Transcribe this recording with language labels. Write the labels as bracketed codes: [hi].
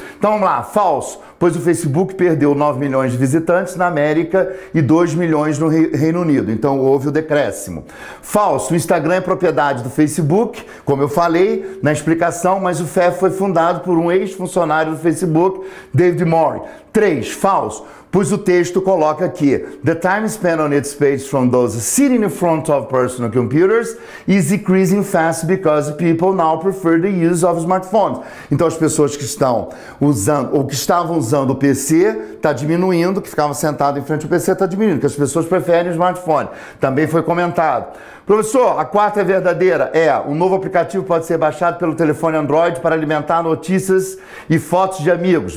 [pt] Então, vamos lá, falso. Pois o Facebook perdeu 9 milhões de visitantes na América e 2 milhões no Reino Unido. Então, houve o decréscimo. Falso. O Instagram é propriedade do Facebook, como eu falei na explicação, mas o FEF foi fundado por um ex-funcionário do Facebook, David Mori. 3, falso, pois o texto coloca aqui: [en] the time spent on its page from those sitting in front of personal computers is decreasing fast because people now prefer the use of smartphones. [pt] Então as pessoas que estão usando ou que estavam usando o PC está diminuindo, que ficavam sentado em frente ao PC está diminuindo, que as pessoas preferem o smartphone. Também foi comentado. Professor, a quarta é verdadeira. É, um novo aplicativo pode ser baixado pelo telefone Android para alimentar notícias e fotos de amigos.